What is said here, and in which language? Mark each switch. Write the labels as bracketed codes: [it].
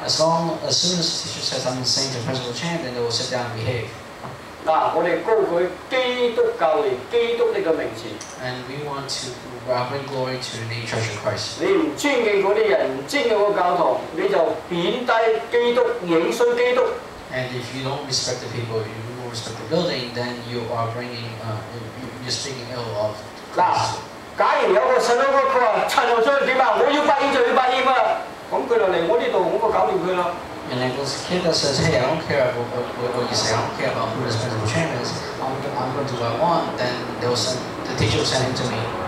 [en] As soon as the teacher says I'm sending to Principal Chang, then they will sit down and behave. [yue] 嗱，我哋高舉基督教嚟，基督呢個名字。 [en] And we want to bring glory to the name Church of Christ. [yue] 你唔尊敬嗰啲人，唔尊敬個教堂，你就貶低基督，影衰基督。 [en] And if you don't respect the people, you don't respect the building, then you are bringing, you're speaking ill of Christ. [yue] 嗱，假如有個細佬哥佢話陳校長點啊，我要發言就要發言啊，咁佢就嚟我呢度，我就搞掂佢啦。 [en] And then this kid that says, hey, I don't care about what you say, I don't care about who this principal chairman is, I'm going to do what I want, then the teacher will send him to me.